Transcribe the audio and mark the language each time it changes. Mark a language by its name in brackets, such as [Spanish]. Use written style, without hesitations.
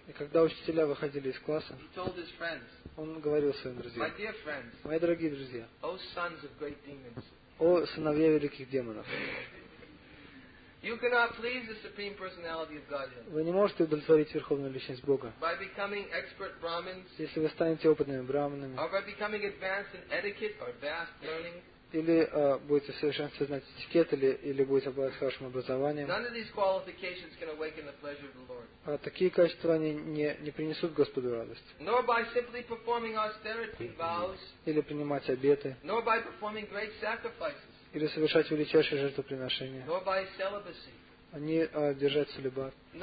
[Russian] И когда учителя выходили из класса. [English] He told his friends. [Russian] Он говорил своим друзьям. [English] My dear friends. [Russian] Мои дорогие друзья. [English] Oh, sons of great demons. [Russian] О сыновья великих демонов. [English] You cannot please the supreme personality of Godhead. [Russian] Вы не можете удовлетворить верховную личность Бога. [English] By becoming expert brahmins. [Russian] Если вы станете опытными брахманами. [English] Or by becoming advanced in etiquette or vast learning. [Russian] Или будете совершенствовать знать этикет, или будете обладать хорошим образованием. [English] None of these qualifications can awaken the pleasure of the Lord. [Russian] А такие качества они не принесут Господу радость. [English] Nor by simply performing austerity vows. [Russian] Или принимать обеты. [English] Nor by performing great sacrifices. [Russian] Или совершать величайшие жертвоприношения. Они держать целибат.